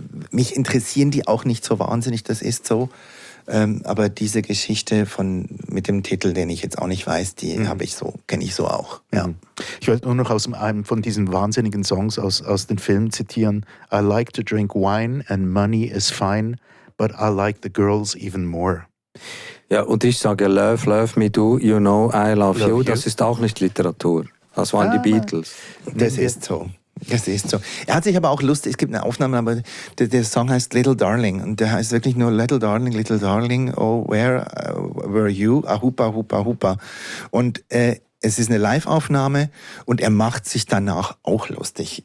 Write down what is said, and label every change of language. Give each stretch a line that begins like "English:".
German: Mich interessieren die auch nicht so wahnsinnig, das ist so. Aber diese Geschichte mit dem Titel, den ich jetzt auch nicht weiß, die kenne ich so auch. Ja. Ich wollte nur noch aus einem von diesen wahnsinnigen Songs aus den Filmen zitieren.
English: I like to drink wine and money is fine, but I like the girls even more.
German: Ja, und ich sage
English: love, love me do, you know I love you.
German: Das ist auch nicht Literatur. Das waren die Beatles. Das ist so. Er hat sich aber auch lustig, es gibt eine Aufnahme, aber der Song heißt Little Darling und der heißt wirklich nur Little Darling,
English: oh, where were you?
German: Ahupa, ahupa, ahupa. Und es ist eine Live-Aufnahme und er macht sich danach auch lustig.